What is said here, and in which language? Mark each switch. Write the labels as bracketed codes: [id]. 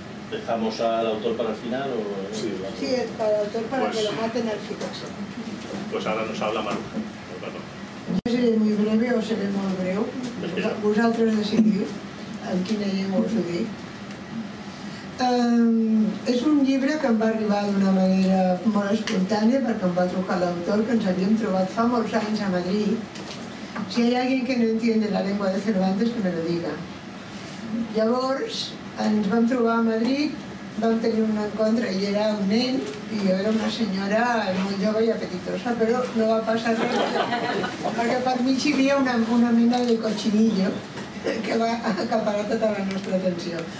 [es] ¿Dejamos al autor para el final? ¿O? Sí, el autor para pues, que lo maten al final. Pues ahora nos habla Maruja. Yo seré muy breve o seré muy breu. [ca] Vosaltres decidiu en quina llengua us ho dic. És un llibre que em va arribar d'una manera molt espontània perquè em va trucar l'autor, que ens havíem trobat fa molts anys a Madrid. Si hi ha algú que no [es] entiende [ca] la llengua de Cervantes, [es] que me lo diga. [ca] Llavors, ens vam trobar a Madrid, vam tenir un encontre, ell era un nen i jo era una senyora molt jove i apetitosa, però no va passar res, perquè per mig hi havia una mena de cochinillo que va acaparar tota la nostra atenció.